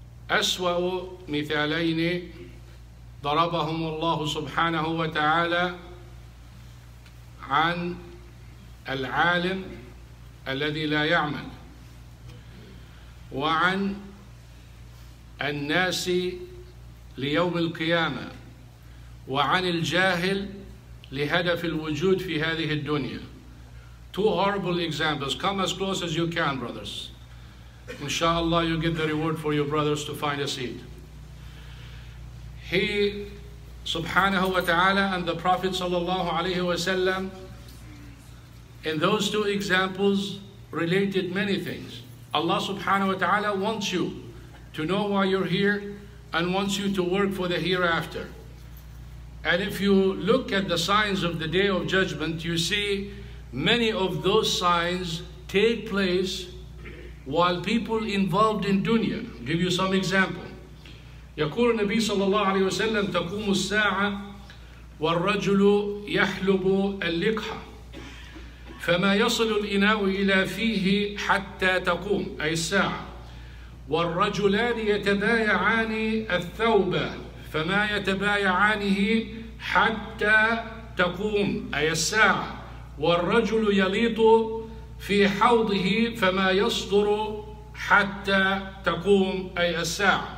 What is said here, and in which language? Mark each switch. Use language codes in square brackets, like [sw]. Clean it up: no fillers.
[ar] أسوأ مثالين ضربهم الله سبحانه وتعالى عن العالم الذي لا يعمل وعن الناس ليوم القيامة وعن الجاهل لهدف الوجود في هذه الدنيا. [en] Two horrible examples. Come as close as you can, brothers. Inshallah, you get the reward for your brothers to find a seat. He, subhanahu wa ta'ala, and the Prophet sallallahu alayhi wa sallam, in those two examples, related many things. Allah subhanahu wa ta'ala wants you to know why you're here and wants you to work for the hereafter. And if you look at the signs of the Day of Judgment, you see many of those signs take place while people involved in dunya. I'll give you some example. [ar] يقول النبي صلى الله عليه وسلم تقوم الساعة والرجل يحلب اللقحة فما يصل الإناء إلى فيه حتى تقوم أي الساعة والرجلان يتبايعان الثوب فما يتبايعانه حتى تقوم أي الساعة والرجل يليط في حوضه فما يصدر حتى تقوم أي الساعة.